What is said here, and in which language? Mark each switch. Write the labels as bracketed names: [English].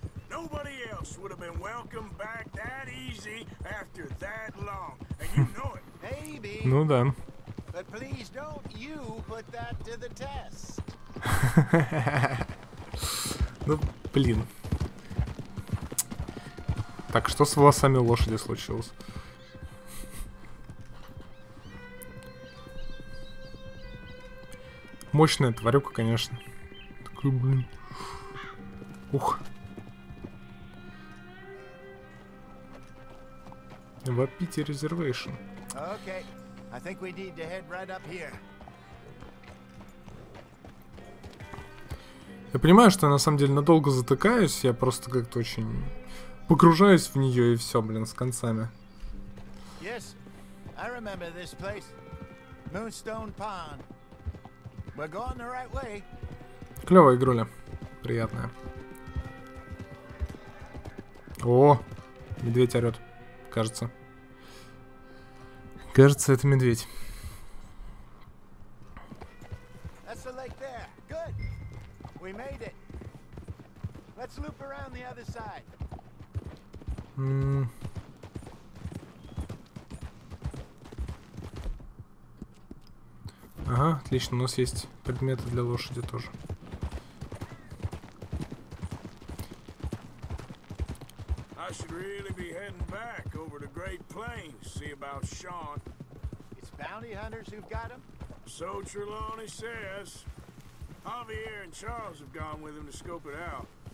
[English] Nobody else would have been welcomed back that easy after that long, and you know it. Maybe. [Russian] Ну да. [English] But please don't you put that to the test. [Russian] Ну, блин. Так, что с волосами лошади случилось? Мощная тварюка, конечно. Такой, блин. Ух. В Апите резервейшн. Окей. [English] I think we need to head right up here. [Russian] Я понимаю, что я на самом деле надолго затыкаюсь, я просто как-то очень погружаюсь в нее и все, блин, с концами. [English] Yes, I remember this place. Moonstone Pond. We're going the right way. [Russian] Клевая игруля. Приятная. О! Медведь орет, кажется. Кажется, это медведь. [English] That's the lake there. Good. We made it. Let's loop around the other side. [Russian] Ага, отлично, у нас есть предметы для лошади тоже. [English] I should really be heading back over to Great Plains to see about Sean. It's bounty hunters who've got him? So Trelawney says. Javier and Charles have gone with him to scope it out.